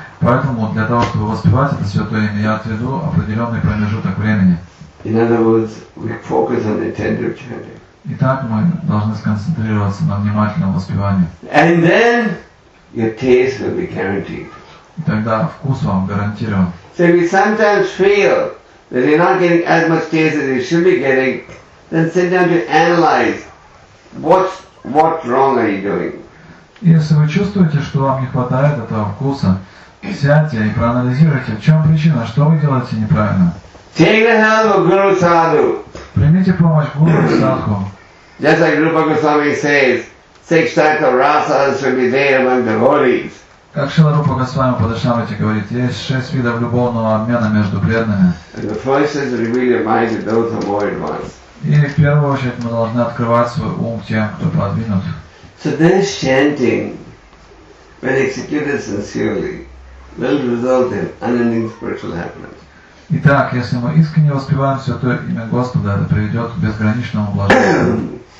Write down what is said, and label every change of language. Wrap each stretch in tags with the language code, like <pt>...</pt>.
<ru>Поэтому для того, чтобы воспевать это святое имя, я отведу определенный промежуток времени.</ru> <en>In other words, we focus on intensive chanting.</en> <ru>Итак, мы должны сконцентрироваться на внимательном воспевании.</ru> <en>And then your taste will be guaranteed.</en> <ru>И тогда вкус вам гарантирован.</ru> <en>So if you sometimes feel that you're not getting as much taste as you should be getting, then sit down to analyze what wrong are you doing.</en> <ru>Если вы чувствуете, что вам не хватает этого вкуса, сядьте и проанализируйте, в чем причина, что вы делаете неправильно.</ru> <en>Take the help of Guru Sadhu.</en> <ru>Примите помощь Гуру Садху.</ru> <en>Just like Rupa Goswami says, six types of rasas should be there among devotees.</en> <ru>Как Шрила Рупа Госвами Падашамрити говорит, есть шесть видов любовного обмена между преданными.</ru> <en>And the first is to reveal your mind to those who are more advanced.</en> <ru>И в первую очередь мы должны открывать свой ум тем, кто продвинут.</ru> <en>So this chanting, when executed sincerely, will result in unending spiritual happiness.</en> <ru>Итак, если мы искренне воспеваем Святое Имя Господа, это приведет к безграничному блаженству.</ru>